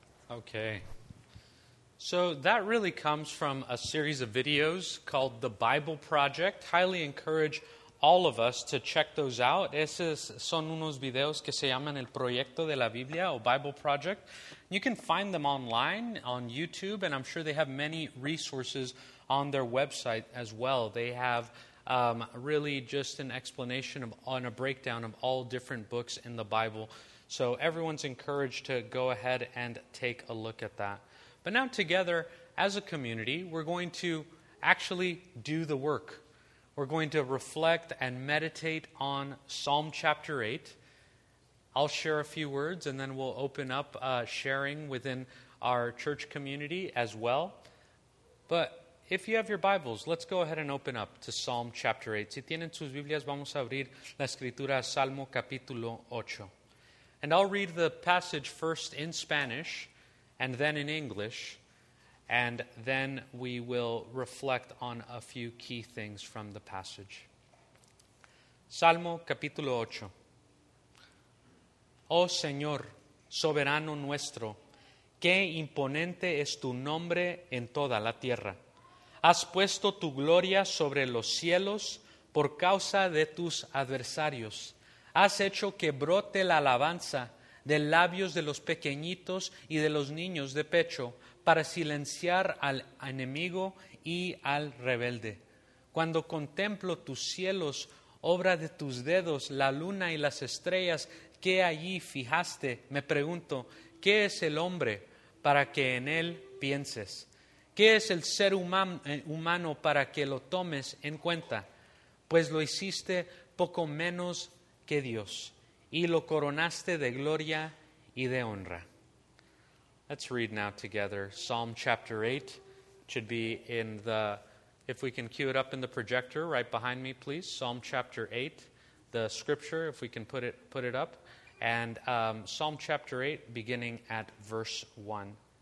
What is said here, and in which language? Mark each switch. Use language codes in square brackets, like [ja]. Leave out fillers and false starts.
[en] Okay. So that really comes from a series of videos called The Bible Project. Highly encourage all of us to check those out. [es] Esos son unos videos que se llaman El Proyecto de la Biblia o Bible Project. [en] You can find them online on YouTube, and I'm sure they have many resources on their website as well. They have really just an explanation of and a breakdown of all different books in the Bible. So everyone's encouraged to go ahead and take a look at that. But now together, as a community, we're going to actually do the work. We're going to reflect and meditate on Psalm chapter 8. I'll share a few words, and then we'll open up sharing within our church community as well. But if you have your Bibles, let's go ahead and open up to Psalm chapter 8. [es] Si tienen sus Biblias, vamos a abrir la Escritura, Salmo capítulo 8. [en] And I'll read the passage first in Spanish, and then in English, and then we will reflect on a few key things from the passage. [es] Salmo capítulo 8. Oh Señor, soberano nuestro, qué imponente es tu nombre en toda la tierra. Has puesto tu gloria sobre los cielos por causa de tus adversarios. Has hecho que brote la alabanza de labios de los pequeñitos y de los niños de pecho para silenciar al enemigo y al rebelde. Cuando contemplo tus cielos, obra de tus dedos, la luna y las estrellas que allí fijaste, me pregunto, ¿qué es el hombre para que en él pienses? ¿Qué es el ser humano para que lo tomes en cuenta? Pues lo hiciste poco menos que Dios, y lo coronaste de gloria y de honra. [en] Let's read now together Psalm chapter 8. It should be in the, if we can cue it up in the projector right behind me, please. Psalm chapter 8, the scripture, if we can put it up. And Psalm chapter 8, beginning at verse 1.